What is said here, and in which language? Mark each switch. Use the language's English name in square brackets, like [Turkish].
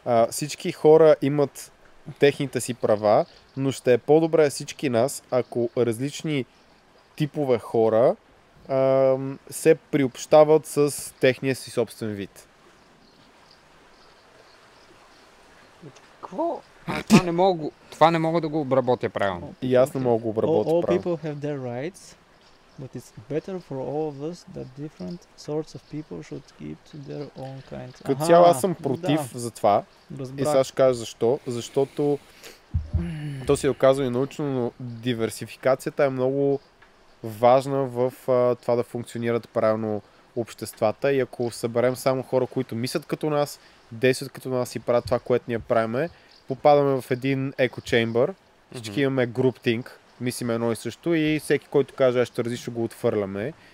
[Bulgarian] Всички хора имат техните си права, но ще е по-добре всички нас, ако различни типове хора се приобщават с техния си собствен вид. Какво? Това не мога да го обработя правилно. И аз не мога да го обработя правилно. [English] All people have their rights, but it's better for all of us that different sorts of people should keep to their own kind. [Bulgarian] Като цяло аз съм против за това. И сега ще кажа защо. Защото то си е оказано и научно, но диверсификацията е много важна в това да функционират правилно обществата. И ако съберем само хора, които мислят като нас, действат като нас и правят това, което ние правим, попадаме в един еко чембър, всички имаме груптинг, мислим едно и също, и всеки, който каже, аз ще различно, го отвърляме.